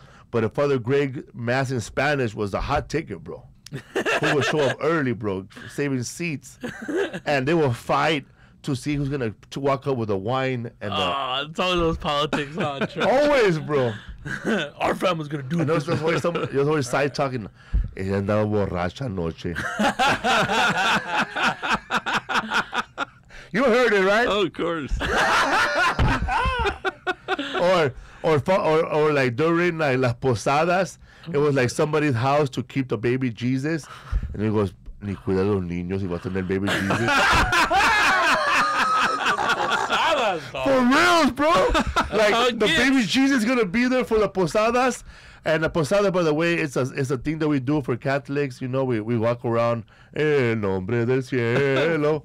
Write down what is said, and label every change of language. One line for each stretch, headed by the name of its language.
English: But if Father Greg Mass in Spanish was the hot ticket, bro. Who would show up early, bro, saving seats. And they will fight to see who's going to walk up with the wine. And it's always those politics on church. Always, bro. Our family's going to do this. There's always side talking.
Spanish: Ella andaba borracha anoche.
English: You heard it, right? Oh, of course. Or like during like las posadas, it was like somebody's house to keep the baby Jesus, and it goes
Spanish: ni cuida los niños y va a tener
English: baby Jesus. Posadas, for real, bro. Like the baby Jesus is gonna be there for the posadas, and the posada, by the way, it's a thing that we do for Catholics. You know, we walk around
Spanish: el nombre del cielo.